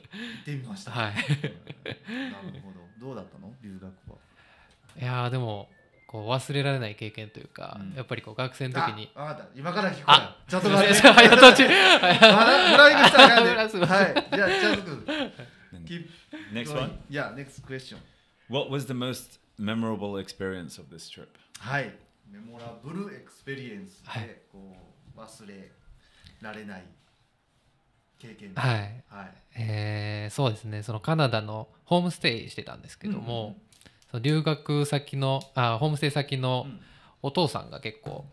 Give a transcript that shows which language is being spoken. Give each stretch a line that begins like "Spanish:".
Japanese: 行ってみました。はい。なるほど。どうだったの？留学は。いやー、でもこう忘れられない経験というか、うん、やっぱりこう学生の時に。ああ、だ。今から聞こう。あ、ちょっと待って。早とち。まだフライングしたからね。はい。じゃあチャズ君。
English: Keep next one. Yeah, next question. What was the most memorable experience of this trip?
Japanese: はい。メモラブルエクスペリエンスで、はい、こう忘れられない経験で、はいはい、そうですね、そのカナダのホームステイしてたんですけども、うん、その留学先の、あ、ホームステイ先のお父さんが結構、